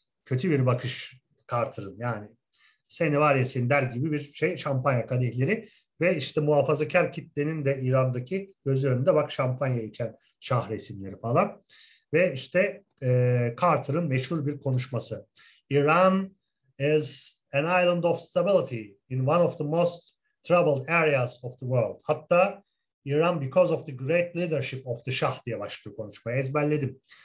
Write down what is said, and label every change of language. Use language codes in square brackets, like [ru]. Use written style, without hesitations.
[tr] Kötü bir bakış Carter'ın yani. Seni var ya seni der gibi bir şey, şampanya kadehleri ve işte muhafazakar kitlenin de İran'daki gözü önünde bak şampanya içen şah resimleri falan. Ve işte Carter'ın meşhur bir konuşması. [en] Iran is an island of stability in one of the most troubled areas of the world. [tr] Hatta [en] Iran because of the great leadership of the Shah [tr] diye başlıyor konuşmayı, ezberledim.